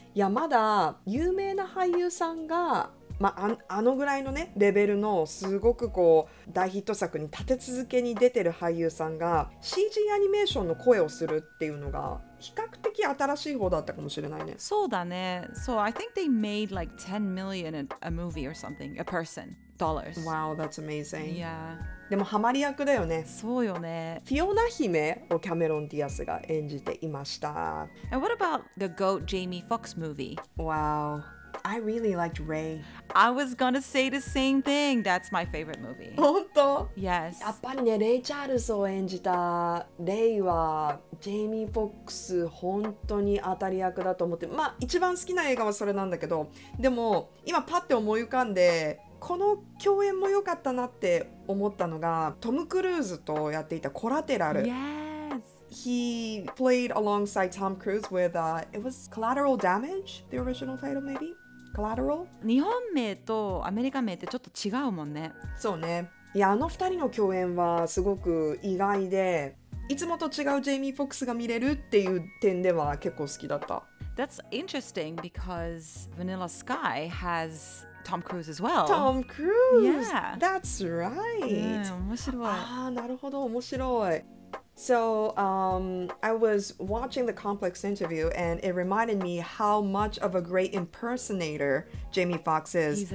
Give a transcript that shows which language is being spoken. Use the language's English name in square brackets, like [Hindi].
[Japanese] いや、まだ有名な俳優さんが、まあ、あのぐらいのねレベルのすごくこう大ヒット作に立て続けに出てる俳優さんが CG アニメーションの声をするっていうのが比較的新しい方だったかもしれないね。そうだね。 [English] So I think they made like 10 million a movie or something a person dollars. Wow, that's amazing. Yeah. [Japanese] でもハマり役だよね。そうよね。フィオナ姫をキャメロン・ディアスが演じていました。 [English] And what about the GOAT Jamie Foxx movie? Wow. I really liked Ray. I was gonna say the same thing. That's my favorite movie. [Japanese] 本当? [English] Yes. [Japanese] やっぱりね、レイ・チャールズを演じたレイはジェイミー・フォックス本当に当たり役だと思って、まあ一番好きな映画はそれなんだけど、でも今パッて思い浮かんでこの共演も良かったなって思ったのがトム・クルーズとやっていたコラテラル。 [English] Yes. He played alongside Tom Cruise with it was Collateral Damage, the original title maybe? Collateral? [Japanese] 日本名とアメリカ名ってちょっと違うもんね。そうね。いや、あの二人の共演はすごく意外で、いつもと違うジェイミー・フォックスが見れるっていう点では結構好きだった。 [English] That's interesting because Vanilla Sky has Tom Cruise as well. Tom Cruise! Yeah! That's right!、 [Japanese] うん、面白い。あー、なるほど、面白い。 [English] So, I was watching the Complex interview and it reminded me how much of a great impersonator Jamie Foxx is.